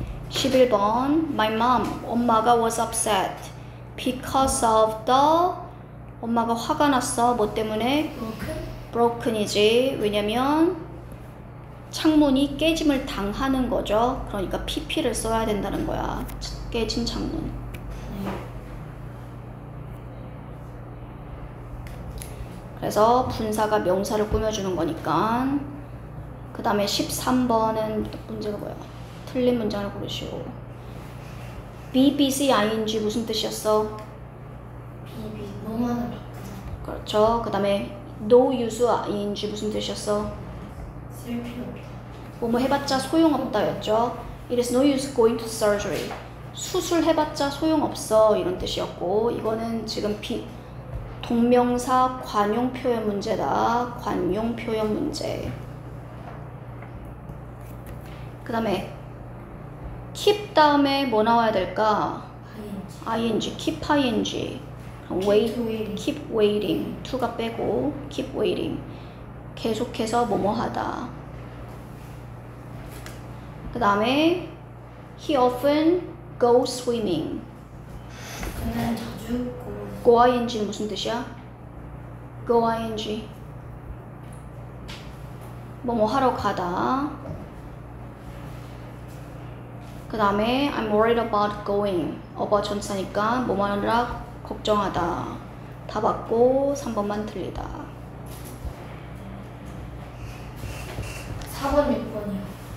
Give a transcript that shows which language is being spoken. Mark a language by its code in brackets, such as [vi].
[en] 11번 My mom, [ko] 엄마가 [en] was upset because of the [ko] 엄마가 화가 났어. 뭐 때문에? Broken이지. 왜냐면 창문이 깨짐을 당하는 거죠. 그러니까 PP를 써야 된다는 거야. 깨진 창문. 그래서 분사가 명사를 꾸며주는 거니까. 그 다음에 13번은 문제가 뭐야? 틀린 문장을 고르시오. Be busy, ing 무슨 뜻이었어? Be 뭐만을 바꾸자. 그렇죠. 그 다음에 no use, ing 무슨 뜻이었어? 쓸 필요 없다. 뭐뭐 해봤자 소용없다였죠. [en] It is no use going to surgery. [ko] 수술해봤자 소용없어 이런 뜻이었고, 이거는 지금 동명사 관용표현 문제다. 관용표현 문제. 그 다음에 keep 다음에 뭐 나와야 될까? [en] ing. keep ing. keep waiting. [ko] to가 빼고 keep waiting. 계속해서 뭐뭐 하다. 그 다음에 [en] he often go swimming. [ko] 그는 자주 go ing 무슨 뜻이야? go ing 뭐뭐 하러 가다. [en] 그 다음에 I'm worried about going. [ko] about 전치사니까 뭐뭐 하느라 걱정하다. 다 맞고 3번만 틀리다. 4번 6번이요.